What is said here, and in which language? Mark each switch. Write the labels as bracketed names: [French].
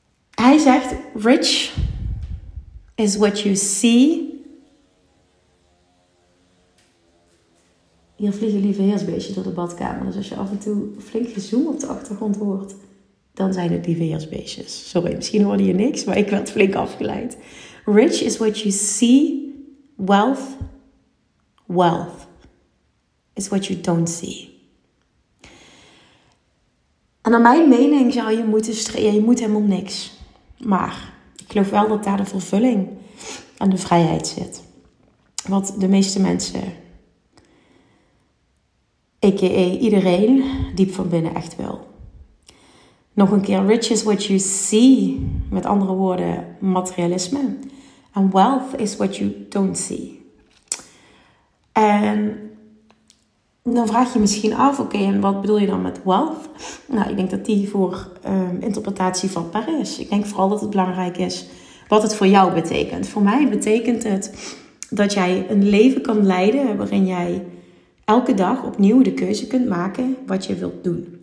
[Dutch] Hij zegt, [English] rich is what you see. [Dutch] Hier vliegen lieve heersbeestjes door de badkamer. Dus als je af en toe flink gezoem op de achtergrond hoort, dan zijn het lieve heersbeestjes. Sorry, misschien hoorde je niks, maar ik werd flink afgeleid. [English] Rich is what you see. Wealth is what you don't see. [Dutch] En naar mijn mening zou je moeten streven. Je moet helemaal niks. Maar ik geloof wel dat daar de vervulling en de vrijheid zit. Wat de meeste mensen, a.k.a. iedereen, diep van binnen echt wil. Nog een keer, [English] rich is what you see. [Dutch] Met andere woorden, materialisme. [English] And wealth is what you don't see. [Dutch] En dan vraag je misschien af, oké, en wat bedoel je dan met wealth? Nou, ik denk dat die voor interpretatie vatbaar is. Ik denk vooral dat het belangrijk is wat het voor jou betekent. Voor mij betekent het dat jij een leven kan leiden waarin jij elke dag opnieuw de keuze kunt maken wat je wilt doen.